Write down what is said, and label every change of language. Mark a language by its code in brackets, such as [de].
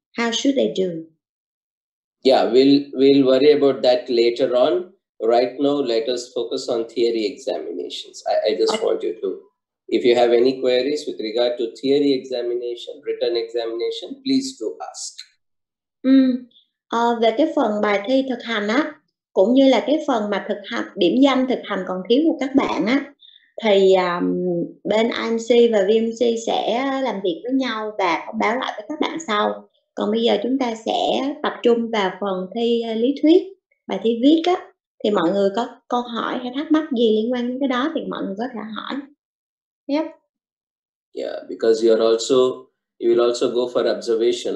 [en] How should they do? Yeah, we'll worry about that later on. Right now, let us focus on theory examinations. I just want you to, if you have any queries with regard to theory examination, written examination, please do ask. [vi] Về cái phần bài thi thực hành á, cũng như là cái phần mà thực hành, điểm danh thực hành còn thiếu của các bạn á, thì bên IMC và VMC sẽ làm việc với nhau và thông báo lại với các bạn sau. Còn bây giờ chúng ta sẽ tập trung vào phần thi lý thuyết, bài thi viết á. Thì mọi người có câu hỏi hay thắc mắc gì liên quan đến cái đó thì mọi người có thể hỏi. [en] Yep. Yeah, because you will also go for observation.